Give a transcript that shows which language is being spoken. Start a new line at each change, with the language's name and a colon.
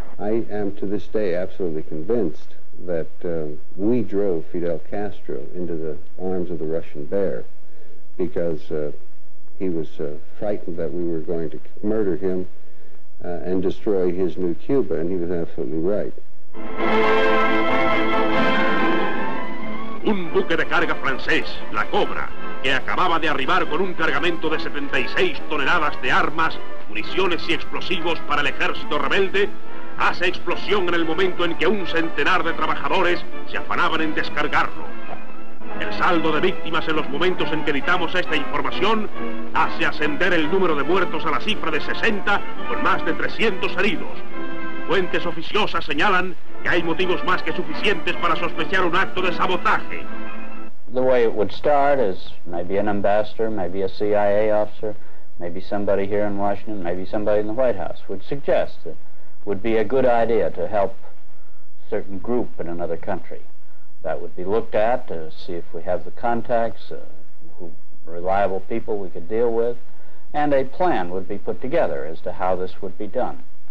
English: I am to this day absolutely convinced that we drove Fidel Castro into the arms of the Russian bear because he was frightened that we were going to murder him and destroy his new Cuba, and he was absolutely right.
Spanish: Un buque de carga francés, La Cobra, que acababa de arribar con un cargamento de 76 toneladas de armas, municiones y explosivos para el ejército rebelde, hace explosión en el momento en que un centenar de trabajadores se afanaban en descargarlo. El saldo de víctimas en los momentos en que editamos esta información hace ascender el número de muertos a la cifra de 60 con más de 300 heridos. Fuentes oficiosas señalan que hay motivos más que suficientes para sospechar un acto de sabotaje.
English: The way it would start is maybe an ambassador, maybe a CIA officer, maybe somebody here in Washington, maybe somebody in the White House would suggest that it would be a good idea to help a certain group in another country. That would be looked at to see if we have the contacts, who reliable people we could deal with, and a plan would be put together as to how this would be done.